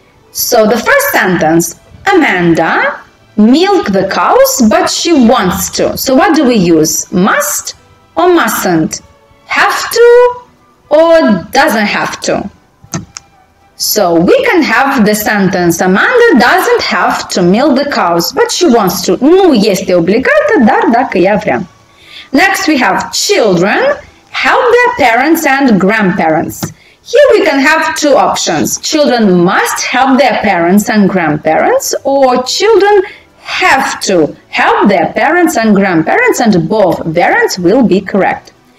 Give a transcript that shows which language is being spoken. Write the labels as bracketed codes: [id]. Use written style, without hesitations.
[en] So the first sentence, Amanda milk the cows, but she wants to. So what do we use? Must or mustn't? Have to or doesn't have to? So we can have the sentence, Amanda doesn't have to milk the cows, but she wants to. [ro] Nu este obligată, dar dacă ea vrea. [en] Next we have children help their parents and grandparents. Here we can have two options. Children must help their parents and grandparents, or children have to help their parents and grandparents, and both variants will be correct.